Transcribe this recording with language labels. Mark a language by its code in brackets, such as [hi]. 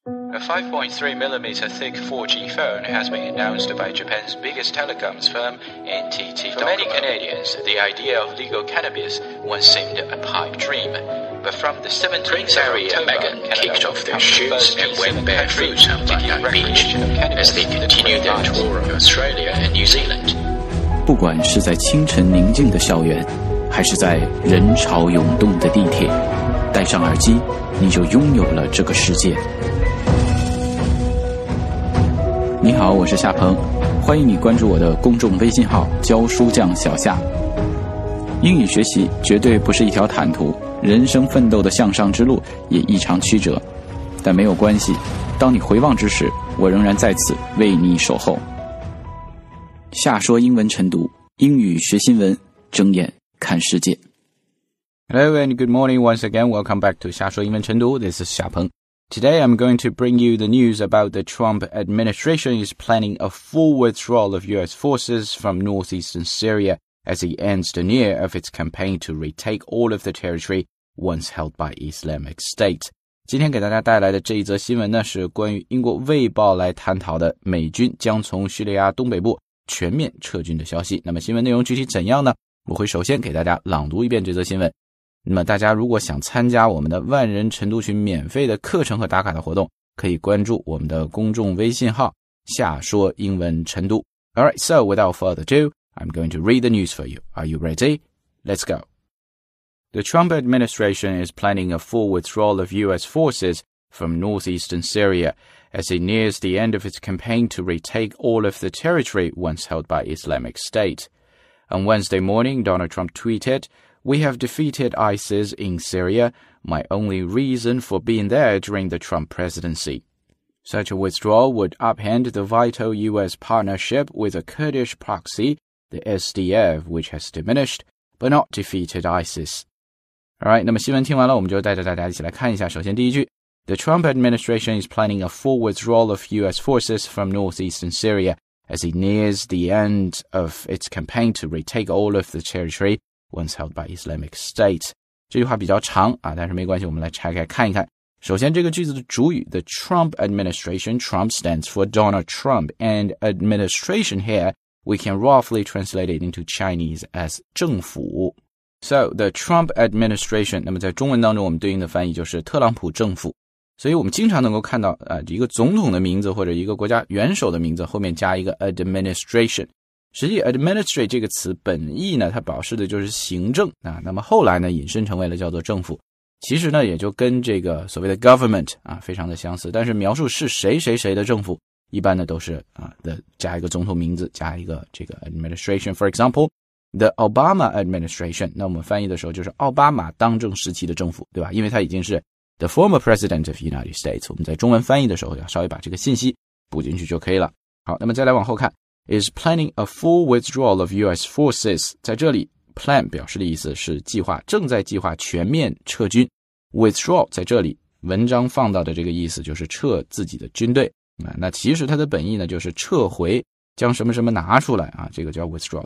[en] A 5.3mm thick 4G phone has been announced by Japan's biggest telecoms firm, NTT Docomo. For many Canadians, the idea of legal cannabis once seemed a pipe dream. But from the 17th Prince Harry and Meghan kicked off their shoots and went barefoot on Bundang Beach as they continued their tour of Australia and New Zealand. [zh] 不管是在清晨宁静的校园，还是在人潮涌动的地铁，戴上耳机，你就拥有了这个世界。你好，我是夏鹏，欢迎你关注我的公众微信号教书匠小夏。英语学习绝对不是一条坦途，人生奋斗的向上之路也异常曲折，但没有关系，当你回望之时，我仍然在此为你守候。夏说英文晨读，英语学新闻，睁眼看世界。 [en] Hello and good morning once again, welcome back to 夏说英文晨读， this is 夏鹏。 Today, I'm going to bring you the news about the Trump administration is planning a full withdrawal of U.S. forces from northeastern Syria as he ends the year of its campaign to retake all of the territory once held by Islamic State. [zh] 今天给大家带来的这一则新闻呢，是关于英国《卫报》来探讨的美军将从叙利亚东北部全面撤军的消息。那么新闻内容具体怎样呢？我会首先给大家朗读一遍这则新闻。那么大家如果想参加我们的万人晨读群免费的课程和打卡的活动，可以关注我们的公众微信号夏说英文晨读。 [en] Alright, so without further ado, I'm going to read the news for you. Are you ready? Let's go. The Trump administration is planning a full withdrawal of U.S. forces from northeastern Syria as it nears the end of its campaign to retake all of the territory once held by Islamic State. On Wednesday morning, Donald Trump tweeted,We have defeated ISIS in Syria, my only reason for being there during the Trump presidency. Such a withdrawal would upend the vital U.S. partnership with a Kurdish proxy, the SDF, which has diminished, but not defeated ISIS. [zh] Alright, 那么新闻听完了，我们就带着大家一起来看一下。首先第一句， [en] The Trump administration is planning a full withdrawal of U.S. forces from northeastern Syria as it nears the end of its campaign to retake all of the territory. Once held by Islamic State. [zh] 这句话比较长啊，但是没关系，我们来拆开看一看。首先这个句子的主语 The Trump Administration, [en] Trump stands for Donald Trump, and administration here, we can roughly translate it into Chinese as [zh] 政府。 [en] So, the Trump Administration, [zh] 那么在中文当中我们对应的翻译就是特朗普政府。所以我们经常能够看到，一个总统的名字或者一个国家元首的名字后面加一个 administration。实际 administrate 这个词本意呢，它表示的就是行政啊。那么后来呢，引申成为了叫做政府。其实呢，也就跟这个所谓的 government 啊非常的相似。但是描述是谁谁谁的政府，一般呢都是啊的加一个总统名字，加一个这个 administration. [en] For example, the Obama administration. [zh] 那我们翻译的时候就是奥巴马当政时期的政府，对吧？因为他已经是 [en] the former president of United States. [zh] 我们在中文翻译的时候要稍微把这个信息补进去就可以了。好，那么再来往后看。 [en] Is planning a full withdrawal of U.S. forces. [zh] 在这里 plan 表示的意思是计划，正在计划全面撤军。 Withdraw 在这里文章放到的这个意思就是撤自己的军队。那其实它的本意呢就是撤回，将什么什么拿出来啊，这个叫 withdraw.